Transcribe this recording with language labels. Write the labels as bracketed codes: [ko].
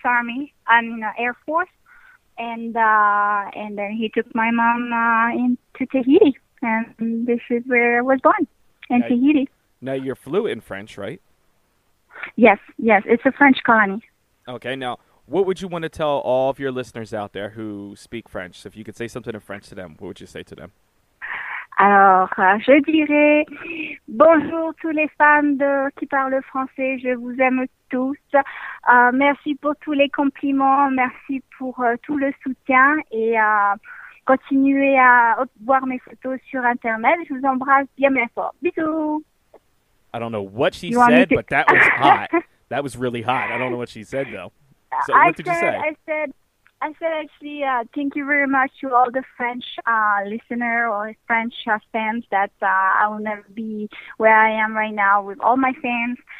[en] Army, Air Force, and then he took my mom into Tahiti, and this is where I was born, in Tahiti. Now, you're fluent in French, right? Yes, it's a French colony. Okay, now, what would you want to tell all of your listeners out there who speak French? So if you could say something in French to them, what would you say to them? [fr] Alors, je dirais bonjour tous les fans qui parlent français. Je vous aime tous. Merci pour tous les compliments. Merci pour tout le soutien. Et continuez à voir mes photos sur Internet. Je vous embrasse bien, bien fort. Bisous. [en] I don't know what she said, but that was hot. That was really hot. I don't know what she said, though. So what did you say? I said, actually, thank you very much to all the French listener or French fans that I will never be where I am right now with all my fans.